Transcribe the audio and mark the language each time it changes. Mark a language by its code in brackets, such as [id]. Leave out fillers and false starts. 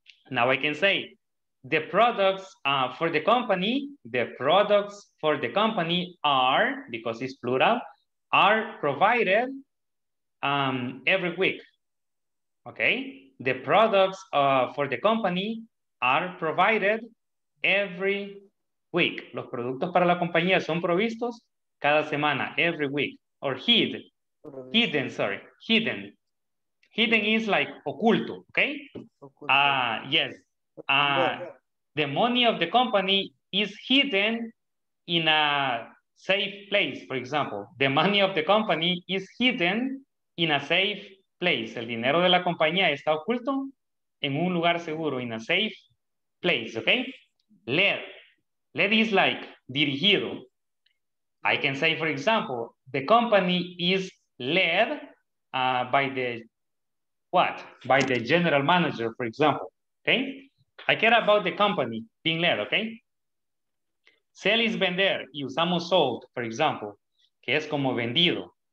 [en] Now I can say, the products for the company, the products for the company are, because it's plural, are provided every week. Okay? The products for the company are provided every week. [es] Los productos para la compañía son provistos cada semana, [en] every week. Or hid, hidden, sorry, hidden. Hidden is like oculto, okay? Oculto. Yes. The money of the company is hidden in a safe place, for example. The money of the company is hidden in a safe place. [es] El dinero de la compañía está oculto en un lugar seguro, [en] in a safe place, [es] okay? [en] Led. Led is like dirigido. I can say, for example, the company is led by the, what? By the general manager, for example, okay? I care about the company being led, okay? [es] Sell is vender, y usamos sold, [en] for example, [es] que es como vendido.